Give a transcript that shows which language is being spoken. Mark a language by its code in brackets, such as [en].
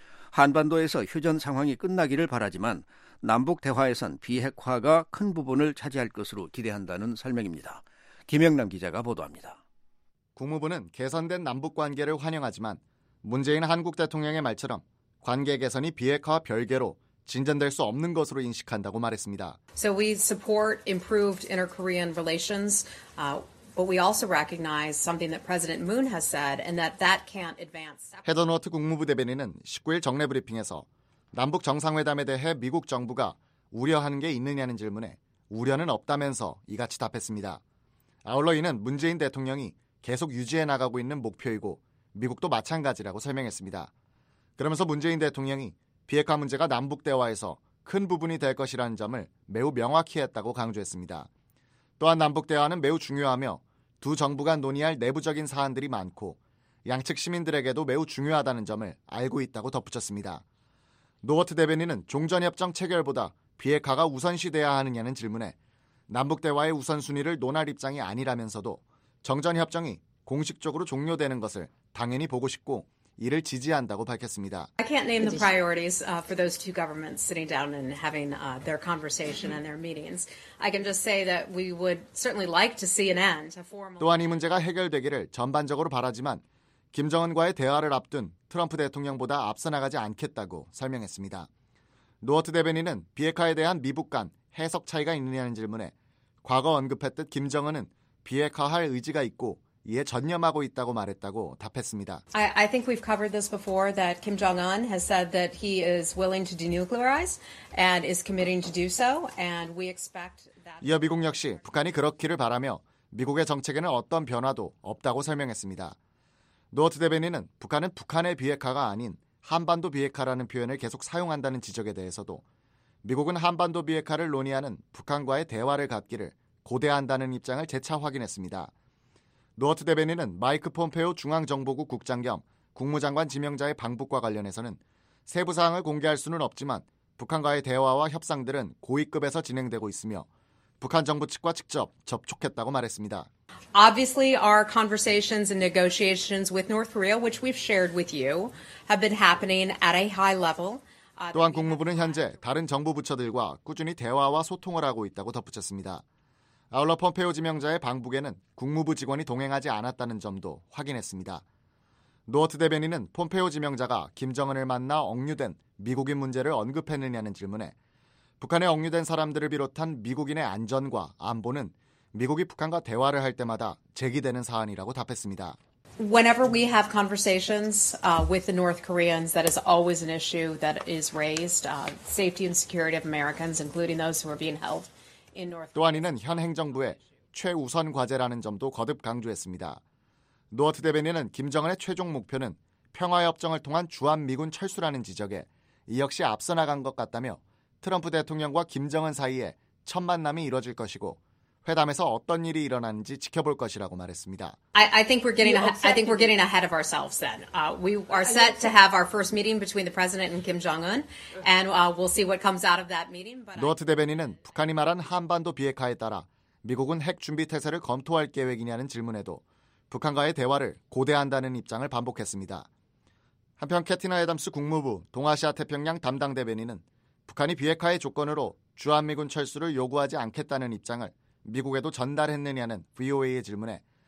[ko] 한반도에서 휴전 상황이 끝나기를 바라지만 남북 대화에선 비핵화가 큰 부분을 차지할 것으로 기대한다는 설명입니다. 김영남 기자가 보도합니다. 국무부는 개선된 남북관계를 환영하지만 문재인 한국 대통령의 말처럼 관계 개선이 비핵화와 별개로 진전될 수 없는 것으로 인식한다고 말했습니다. [en] So we support improved inter-Korean relations, but we also recognize something that President Moon has said and that can't advance. [ko] 헤더 노트 국무부 대변인은 19일 정례 브리핑에서 남북 정상회담에 대해 미국 정부가 우려하는 게 있느냐는 질문에 우려는 없다면서 이같이 답했습니다. 아울러 이는 문재인 대통령이 계속 유지해 나가고 있는 목표이고 미국도 마찬가지라고 설명했습니다. 그러면서 문재인 대통령이 비핵화 문제가 남북 대화에서 큰 부분이 될 것이라는 점을 매우 명확히 했다고 강조했습니다. 또한 남북 대화는 매우 중요하며 두 정부 간 논의할 내부적인 사안들이 많고 양측 시민들에게도 매우 중요하다는 점을 알고 있다고 덧붙였습니다. 노어트 대변인은 종전협정 체결보다 비핵화가 우선시돼야 하느냐는 질문에 남북 대화의 우선순위를 논할 입장이 아니라면서도 정전협정이 공식적으로 종료되는 것을 당연히 보고 싶고 이를 지지한다고 밝혔습니다. [en] I can't name the priorities for those two governments sitting down and having their conversation and their meetings. I can just say that we would certainly like to see an end. [ko] 또한 이 문제가 해결되기를 전반적으로 바라지만 김정은과의 대화를 앞둔 트럼프 대통령보다 앞서 나가지 않겠다고 설명했습니다. 노어트 대변인은 비핵화에 대한 미북 간 해석 차이가 있느냐는 질문에 과거 언급했듯 김정은은 비핵화할 의지가 있고 이에 전념하고 있다고 말했다고 답했습니다. [en] I think we've covered this before that Kim Jong-un has said that he is willing to denuclearize and is committing to do so and we expect that. [ko] 이어 미국 역시 북한이 그렇기를 바라며 미국의 정책에는 어떤 변화도 없다고 설명했습니다. 노어트 대변인은 북한은 북한의 비핵화가 아닌 한반도 비핵화라는 표현을 계속 사용한다는 지적에 대해서도 미국은 한반도 비핵화를 논의하는 북한과의 대화를 갖기를 고대한다는 입장을 재차 확인했습니다. 노어트 대변인은 마이크 폼페오 중앙정보국 국장 겸 국무장관 지명자의 방북과 관련해서는 세부사항을 공개할 수는 없지만 북한과의 대화와 협상들은 고위급에서 진행되고 있으며 북한 정부 측과 직접 접촉했다고 말했습니다. [en] Obviously, our conversations and negotiations with North Korea, which we've shared with you, have been happening at a high level. [ko] 또한 국무부는 현재 다른 정부 부처들과 꾸준히 대화와 소통을 하고 있다고 덧붙였습니다. 아울러 폼페오 지명자의 방북에는 국무부 직원이 동행하지 않았다는 점도 확인했습니다. 노어트 대변인은 폼페오 지명자가 김정은을 만나 억류된 미국인 문제를 언급했느냐는 질문에 북한에 억류된 사람들을 비롯한 미국인의 안전과 안보는 미국이 북한과 대화를 할 때마다 제기되는 사안이라고 답했습니다. [en] Whenever we have conversations with the North Koreans, that is always an issue that is raised. Safety and security of Americans, including those who are being held in North Korea. [ko] 또한 이는 현 행정부의 최우선 과제라는 점도 거듭 강조했습니다. 노어트 대변인은 김정은의 최종 목표는 평화협정을 통한 주한미군 철수라는 지적에 이 역시 앞서 나간 것 같다며 트럼프 대통령과 김정은 사이에 첫 만남이 이뤄질 것이고 회담에서 어떤 일이 일어나는지 지켜볼 것이라고 말했습니다. [en] I think we're getting ahead of ourselves then. We are set to have our first meeting between the president and Kim Jong-un and we'll see what comes out of that meeting. [ko] 노어트 대변인은 북한이 말한 한반도 비핵화에 따라 미국은 핵 준비 태세를 검토할 계획이냐는 질문에도 북한과의 대화를 고대한다는 입장을 반복했습니다. 한편 캐티나 애덤스 국무부 동아시아 태평양 담당 대변인은 북한이 비핵화의 조건으로 주한미군 철수를 요구하지 않겠다는 입장을 미국에도 전달했느냐는 VOA의 질문에